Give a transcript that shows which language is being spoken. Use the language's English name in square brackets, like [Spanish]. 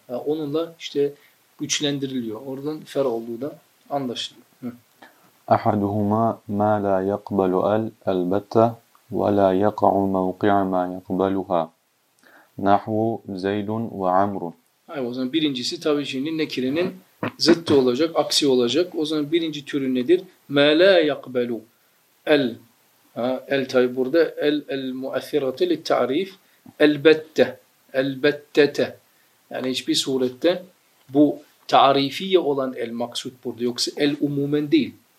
[Turkish] Yani onunla işte güçlendiriliyor. Oradan fer olduğu da anlaşılıyor. [Arabic] أحدهما ما لا يقبل البتة ولا يقع موقع ما يقبلها نحو زيد وعمر. [Turkish] Evet, o zaman birincisi tabii şimdi nekirenin zıttı olacak, aksi olacak. O zaman birinci türü nedir? [Arabic] ما لا يقبل [Turkish] el tabii burada el müessirete [Arabic] للتعريف البتة [Turkish] yani hiçbir surette bu tarifiye olan el maksut burada, yoksa el umumen değil.